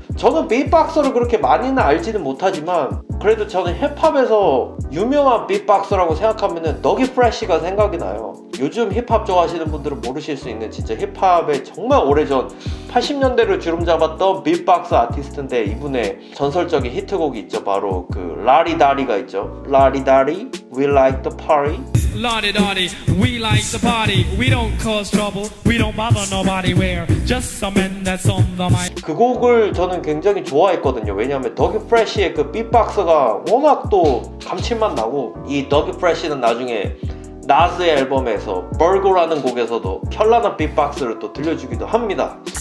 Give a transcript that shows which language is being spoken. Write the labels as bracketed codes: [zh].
[ko] 저는 빅박서를 그렇게 많이는 알지는 못하지만 그래도 저는 힙합에서 유명한 빅박서라고 생각하면 너기 프레쉬가 생각이 나요. 요즘 힙합 좋아하시는 분들은 모르실 수 있는 진짜 힙합의 정말 오래전 80년대를 주름잡았던 빅박서 아티스트인데, 이분의 전설적인 히트곡이 있죠. 바로 그 라리다리가 있죠. [en] 라리다리, We Like The Party. La-di-da-di, we like the party. We don't cause trouble, we don't bother nobody. We're just a man that's on the mic. [ko] 그 곡을 저는 굉장히 좋아했거든요. 왜냐하면 더기 프레쉬의 그 빅박스가 워낙 또 감칠맛 나고, 이 더기 프레쉬는 나중에 나스의 앨범에서 Burgo라는 곡에서도 현란한 빅박스를 또 들려주기도 합니다.